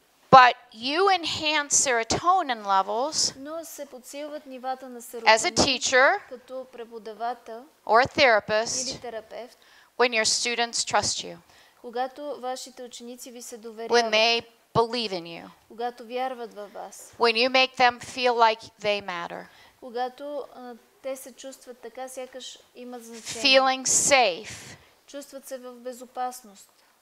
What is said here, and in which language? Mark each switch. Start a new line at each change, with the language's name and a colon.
English: But you enhance serotonin levels
Bulgarian: но се подсилват нивата на серотонин
English: as a teacher
Bulgarian: като преподавател
English: or a therapist
Bulgarian: или терапевт
English: when your students trust you.
Bulgarian: Когато вашите ученици ви се доверяват.
English: When they believe in you.
Bulgarian: Когато вярват във вас.
English: When you make them feel like they matter.
Bulgarian: Когато те се чувстват така, сякаш имат значение.
English: Feeling safe.
Bulgarian: Чувстват се в безопасност.